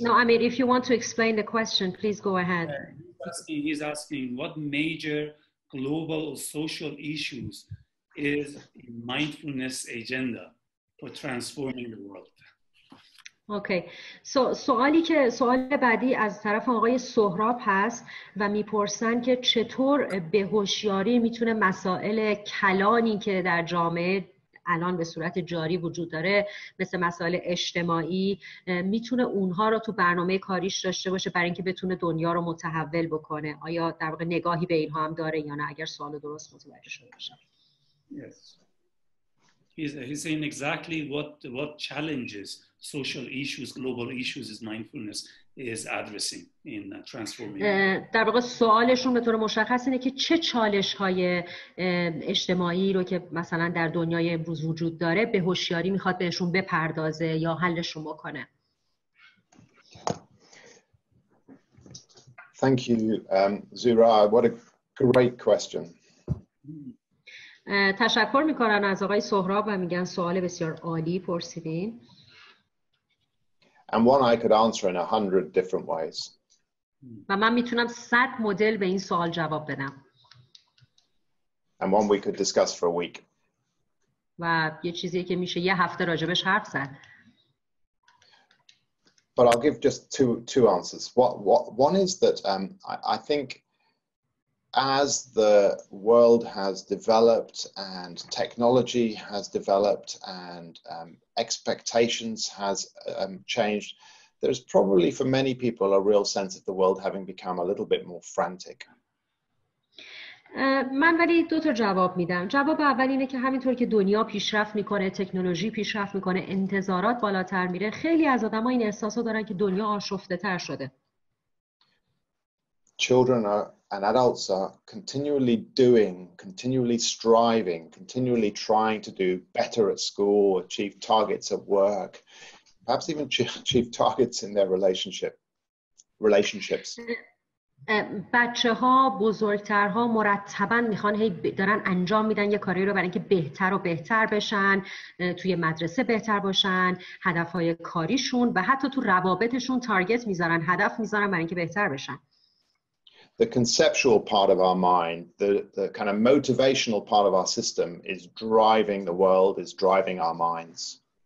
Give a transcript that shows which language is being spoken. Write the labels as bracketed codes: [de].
[en] No, I mean, if you want to explain the question, please go ahead. He's asking what major global or social issues is a mindfulness agenda for transforming the world. Okay. [fa] سوالی بعدی از طرف آقای سهراب هست و میپرسن که چطور به هوشیاری میتونه مسائل کلانی که در جامعه الان به صورت جاری وجود داره مثل مسائل اجتماعی میتونه اونها رو تو برنامه کاریش داشته باشه برای اینکه بتونه دنیا رو متحول بکنه. آیا در واقع نگاهی به اینها هم داره یا نه؟ اگر سوال درست متوجه شده باشم. [en] Yes. He's saying exactly what challenges, social issues, global issues is mindfulness is addressing in transforming. [fa] در واقع سوالشون به طور مشخص اینه که چه چالش‌های اجتماعی رو که مثلا در دنیای امروز وجود داره به هوشیاری میخواد بهشون بپردازه یا حلشون بکنه. [en] Thank you, Zira. What a great question. [fa] تشکر میکنن از آقای سهراب و میگن سوال بسیار عالی پرسیدین. [en] And one I could answer in 100 different ways. [fa] و من میتونم 100 مدل به این سوال جواب بدم. [en] And one we could discuss for a week. [fa] و یه چیزی که میشه یه هفته راجبش حرف زد. [en] But I'll give just two answers. What one is that I think as the world has developed and technology has developed and expectations has changed, there's probably for many people a real sense of the world having become a little bit more frantic. [fa] من ولی دو تا جواب میدم. جواب اول اینه که همینطور که دنیا پیشرفت میکنه، تکنولوژی پیشرفت میکنه، انتظارات بالاتر میره، خیلی از آدم ها این احساس رو دارن که دنیا آشفته تر شده. [en] Children and adults are continually doing, continually striving, continually trying to do better at school, achieve targets at work, perhaps even achieve targets in their relationships. [fa] بچه ها، بزرگتر ها مرتباً میخوان هی دارن انجام میدن یه کاری رو برای اینکه بهتر و بهتر بشن، توی مدرسه بهتر باشن، هدفهای کاریشون و حتی تو روابطشون تارگت میذارن، هدف میذارن برای اینکه بهتر بشن. [en] The conceptual part of our mind, the kind of motivational part of our system is driving the world, is driving our minds.